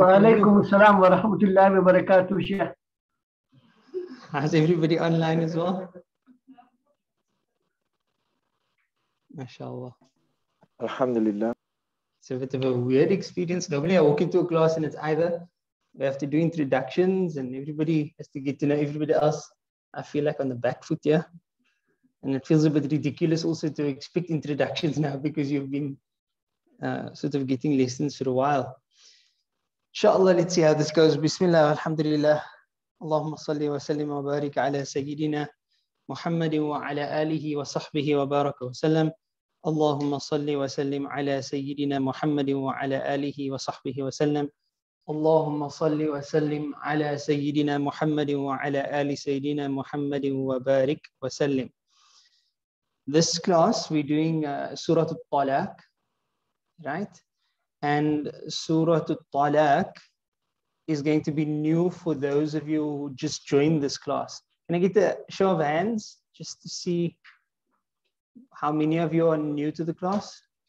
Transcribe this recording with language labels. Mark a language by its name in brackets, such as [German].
[Arabic] وعليكم السلام ورحمة الله وبركاته شيخ. [English] Has everybody online as well? [Arabic] MashaAllah. الحمد لله. [English] It's a bit of a weird experience. Normally, I walk into a class and it's either we have to do introductions and everybody has to get to know everybody else. I feel like on the back foot here. And it feels a bit ridiculous also to expect introductions now because you've been sort of getting lessons for a while. Inshallah, let's see how this goes. [Arabic] Bismillah, alhamdulillah. Allahumma salli wa sallim wa barik ala sayyidina Muhammadin wa ala alihi wa sahbihi wa baraka wa sallam. اللهم صل وسلم على سيدنا محمد وعلى آله وصحبه وسلم اللهم صل وسلم على سيدنا محمد وعلى آل سيدنا محمد وبارك وسلم. [English] This class we're doing Surah Talaq, right? And Surah Talaq is going to be new for those of you who just joined this class. Can I get a show of hands just to see how many of you are new to the class?